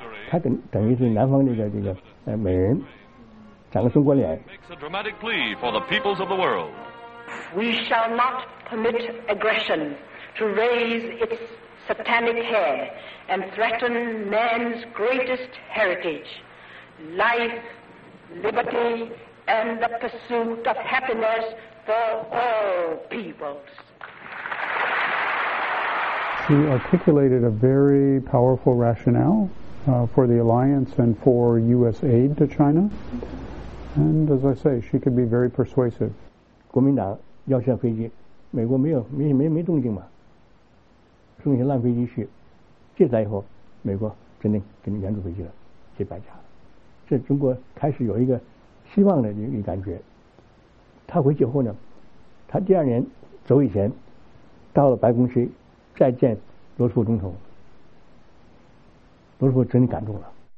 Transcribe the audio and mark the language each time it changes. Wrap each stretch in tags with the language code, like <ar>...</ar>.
<zh>他等于是南方这个美人，长个中国脸。</zh> <en>Makes a dramatic plea for the peoples of the world. We shall not permit aggression to raise its satanic head and threaten man's greatest heritage, life, liberty, and the pursuit of happiness for all peoples. She articulated a very powerful rationale, for the alliance and for U.S. aid to China. And as I say, she could be very persuasive.</en> <zh>国民党要下飞机，美国没动静嘛，送一些烂飞机去，卸载以后，美国真的给你援助飞机了，这败家了，这中国开始有一个希望的一感觉。他回去后呢，他第二年走以前，到了白宫去再见罗斯福总统，罗斯福真的感动了。</zh>